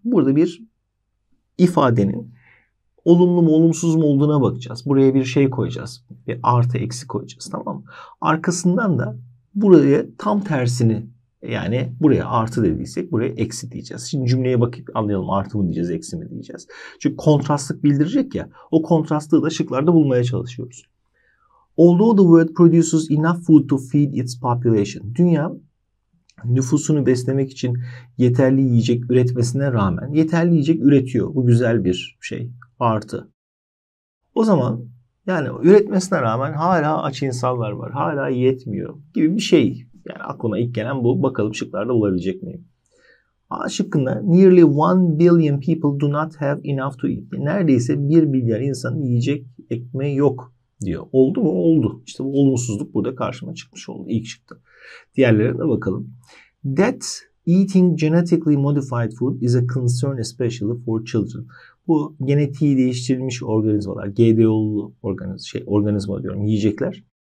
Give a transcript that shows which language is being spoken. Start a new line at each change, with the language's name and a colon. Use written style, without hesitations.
Turkish: Burada bir ifadenin olumlu mu olumsuz mu olduğuna bakacağız. Buraya bir şey koyacağız. Bir artı eksi koyacağız, tamam mı? Arkasından da buraya tam tersini, yani buraya artı dediysek buraya eksi diyeceğiz. Şimdi cümleye bakıp anlayalım, artı mı diyeceğiz, eksi mi diyeceğiz. Çünkü kontrastlık bildirecek ya. O kontrastlığı da şıklarda bulmaya çalışıyoruz.
English: Although the world produces enough food to feed its population.
Turkish: Dünya nüfusunu beslemek için yeterli yiyecek üretmesine rağmen yeterli yiyecek üretiyor. Bu güzel bir şey. Artı. O zaman yani üretmesine rağmen hala aç insanlar var. Hala yetmiyor gibi bir şey. Yani aklıma ilk gelen bu. Bakalım şıklarda bulabilecek miyim? A şıkkında
English: nearly 1 billion people do not have enough to eat.
Turkish: Neredeyse 1 milyar insanın yiyecek ekmeği yok diyor. Oldu mu? Oldu. İşte bu olumsuzluk burada karşıma çıkmış oldu. İlk çıktı. Diğerlerine de bakalım.
English: That eating genetically modified food is a concern especially for children.
Turkish: Bu genetiği değiştirilmiş organizmalar, GDO'lu organizma diyorum, yiyecekler.